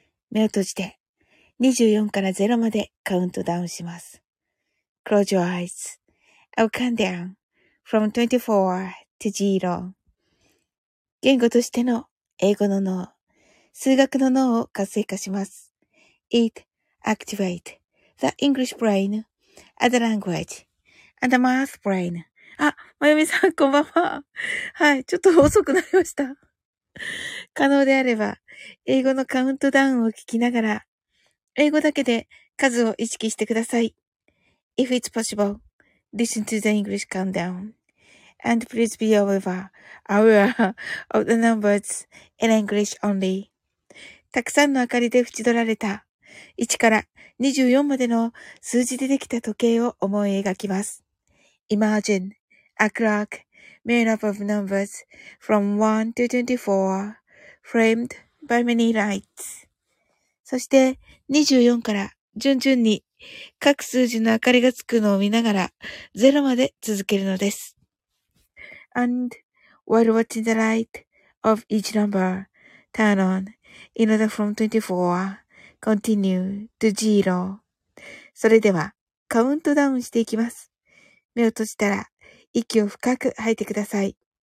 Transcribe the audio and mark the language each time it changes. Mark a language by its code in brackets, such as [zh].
[ja] 目を閉じて24から0までカウントダウンします。 [en] Close your eyes. I'll count down from 24 to 0. [ja] 言語としての英語の脳、数学の脳を活性化します。 Eat. [en] Activate the English brain and the language and the math brain. [ja] あ、まゆみさん、こんばんは。はい、ちょっと遅くなりました。可能であれば、英語のカウントダウンを聞きながら、英語だけで数を意識してください。 [en] If it's possible, listen to the English countdown. And please be aware of the numbers in English only. [ja] たくさんの明かりで縁取られた。1から24までの数字でできた時計を思い描きます。 [en] Imagine a clock made up of numbers from 1 to 24 framed by many lights. [ja] そして24から順々に各数字の明かりがつくのを見ながら0まで続けるのです。 [en] And while watching the light of each number turn on in order from 24,Continue to zero. [ja] それではカウントダウンしていきます。目を閉じたら息を深く吐いてください。